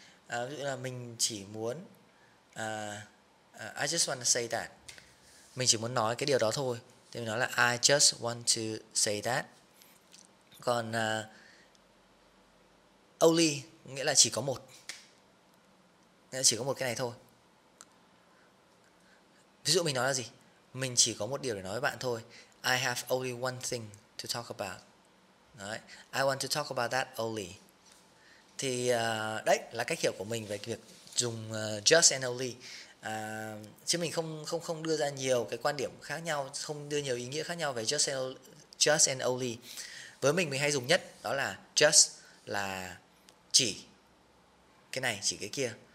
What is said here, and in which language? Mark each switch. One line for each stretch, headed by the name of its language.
Vietnamese: Ví dụ là mình chỉ muốn
English: I just want to say that.
Vietnamese: Mình chỉ muốn nói cái điều đó thôi. Thì mình nói là
English: I just want to say that.
Vietnamese: Còn only nghĩa là chỉ có một. Nghĩa là chỉ có một cái này thôi. Ví dụ mình nói là gì? Mình chỉ có một điều để nói với bạn thôi.
English: I have only one thing to talk about.
Vietnamese: Đấy.
English: I want to talk about that only.
Vietnamese: Thì đấy là cách hiểu của mình về việc dùng just and only. Chứ mình không đưa ra nhiều cái quan điểm khác nhau, không đưa nhiều ý nghĩa khác nhau về just and only. Với mình hay dùng nhất đó là just là chỉ cái này, chỉ cái kia.